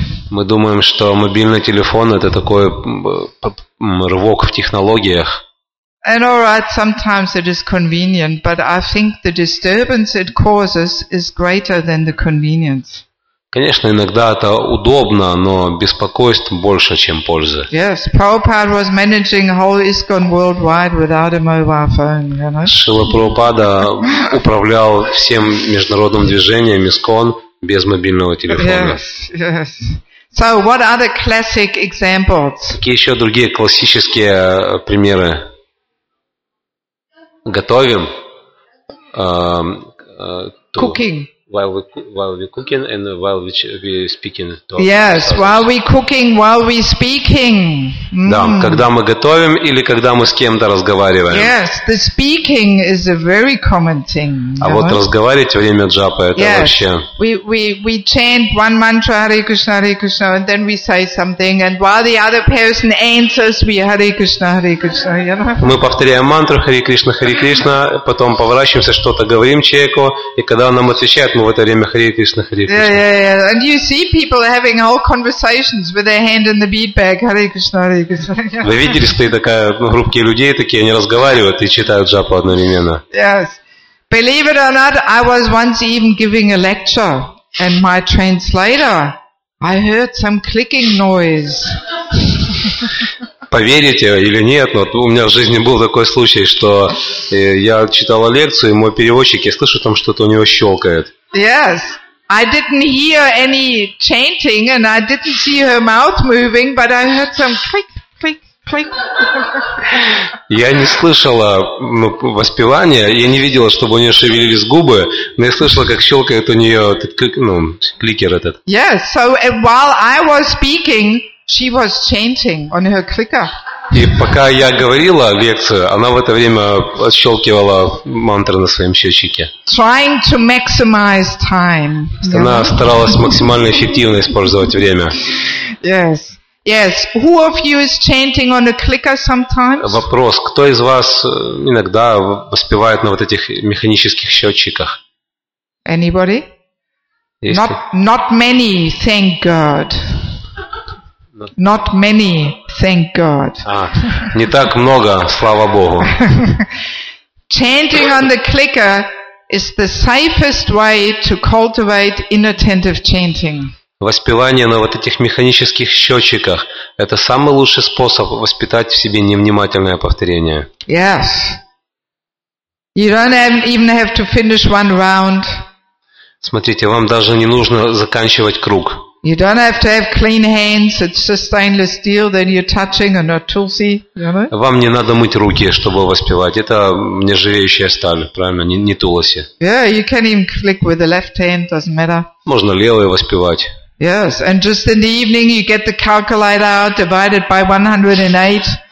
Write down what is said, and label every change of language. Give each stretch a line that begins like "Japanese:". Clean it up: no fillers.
Russian: Мы думаем, что мобильный телефон – это такой рывок в технологиях.
English: And all right, sometimes it is convenient, but I think the disturbance it causes is greater than the convenience.
Russian: Конечно, иногда это удобно, но беспокойств больше, чем пользы.
English: Yes, Prabhupada was managing whole ISKCON worldwide without a mobile phone, you know.
Russian: Шрила Прабхупада управлял всем международным движением ISKCON без мобильного телефона.
English: Yes. So what are the classic examples?
Russian: Какие еще другие классические примеры? Готовим.
English: Cooking. While we cooking and while we speaking. Yes, while we cooking, while we speaking.
Russian: Да, когда мы готовим или когда мы с кем-то разговариваем.
English: Yes, the speaking is a very common thing.
Russian: А вот разговаривать во время джапы это вообще.
English: Yes, we chant one mantra Hare Krishna Hare Krishna and then we say something and while the other person answers we Hare Krishna Hare Krishna.
Russian: Мы повторяем мантру Hare Krishna Hare Krishna, потом поворачиваемся, что-то говорим человеку, и когда он нам отвечает, мы в это время Харе Кришна, Харе Кришна.
English: Yeah. And you see people having whole conversations with their hand in the bead bag.
Russian: Харе Кришна, Харе Кришна. Вы видели, что такая группа людей такие, они разговаривают и читают джапу одновременно.
English: Yes. Believe it or not, I was once even giving a lecture, and my translator, I heard some clicking noise.
Russian: Поверите или нет, но у меня в жизни был такой случай, что я читала лекцию, и мой переводчик, я слышу, там что-то у него щелкает.
English: Yes, I didn't hear any chanting, and I didn't see her mouth moving, but I heard some click, click.
Russian: Я не слышала воспевания, я не видела, чтобы у нее шевелились губы, но я слышала, как щелкает у нее этот кликер этот.
English: Yes, so while I was speaking, she was chanting on her clicker.
Russian: И пока я говорила лекцию, она в это время отщелкивала мантры на своем счетчике.
English: Trying to maximize time.
Russian: Она старалась максимально эффективно использовать время.
English: Yes. Yes. Who of you is chanting on a clicker sometimes?
Russian: Вопрос: кто из вас иногда воспевает на вот этих механических счетчиках?
English: Anybody? Not many, thank God. Not many, thank God.
Russian: Не так много, слава Богу.
English: Chanting on the clicker is the safest way to cultivate inattentive chanting.
Russian: Воспевание на вот этих механических счетчиках – это самый лучший способ воспитать в себе невнимательное повторение.
English: Yes. You don't even have to finish one round.
Russian: Смотрите, вам даже не нужно заканчивать круг.
English: You don't have to have clean hands. It's just stainless steel that you're touching, and not tulsi.
Russian: Вам не надо мыть руки, чтобы воспевать. Это нержавеющая сталь, правильно? Не тулоси.
English: Yeah, you can even click with the left hand. Doesn't matter.
Russian: Можно левой воспевать.
English: Yes, and just in the evening you get the calculator out, divided by 108.